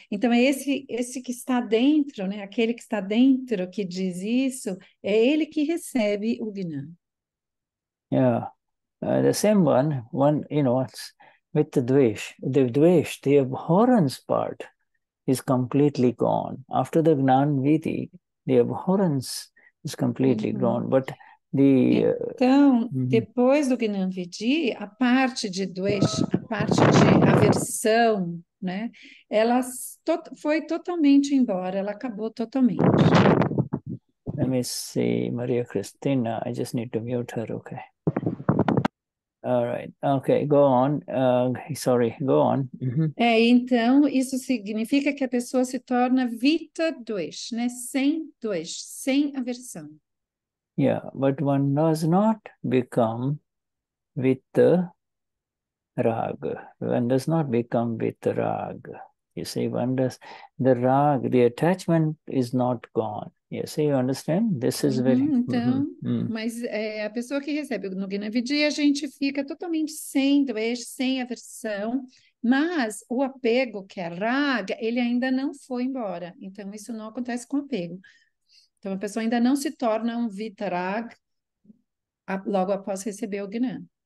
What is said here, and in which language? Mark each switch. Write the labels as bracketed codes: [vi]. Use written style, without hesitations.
[pt] Então, é esse que está dentro, né? Aquele que está dentro que diz isso, é ele que recebe o Gnan. [en] Yeah. The same one, you know, it's with the dwesh, the abhorrence part is completely gone. After the Gnan Viti, the abhorrence is completely gone, but the... [pt] Então, depois do Gnan Vidi, a parte de dwesh, a parte de aversão, né, ela foi totalmente embora, ela acabou totalmente. [en] Let me see, Maria Cristina, I just need to mute her, okay. All right, okay, go on. Sorry, go on. [pt] Uh-huh. É, então, isso significa que a pessoa se torna Vitadwesh, né? Sem dwesh, sem aversão. [en] Yeah, but one does not become Vitarag. One does not become Vitarag. You see, one does, the raag, the attachment is not gone. You see, you understand? This is very... [pt] Uh-huh, então, mas é, a pessoa que recebe no Gnan Vidi, a gente fica totalmente sem dwesh, sem aversão, mas o apego, que é raag, ele ainda não foi embora. Então, isso não acontece com apego. Então, a pessoa ainda não se torna um Vitarag logo após receber o Gnan.